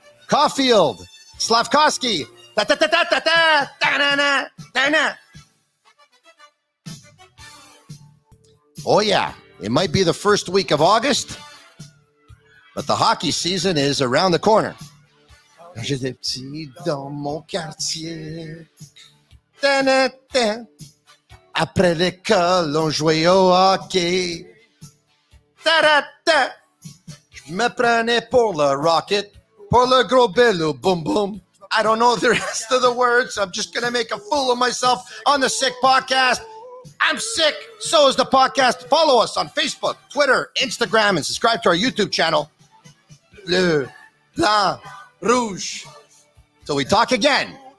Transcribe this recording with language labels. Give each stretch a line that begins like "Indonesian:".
English: Caulfield. Slafkovský. Ta-ta-ta-ta-ta-ta-ta-na-na-ta-na. Oh, yeah. It might be the first week of August, but the hockey season is around the corner.
French: J'ai des petits dans mon quartier. Ta-na-ta. Après l'école, on jouait au hockey. Ta-da-ta. Je me prenais pour le rocket. Pour le gros bellou, boom, boom.
English: I don't know the rest of the words. I'm just going to make a fool of myself on the Sick Podcast. I'm sick. So is the podcast. Follow us on Facebook, Twitter, Instagram, and subscribe to our YouTube channel. Bleu, Blanc, Rouge. So we talk again.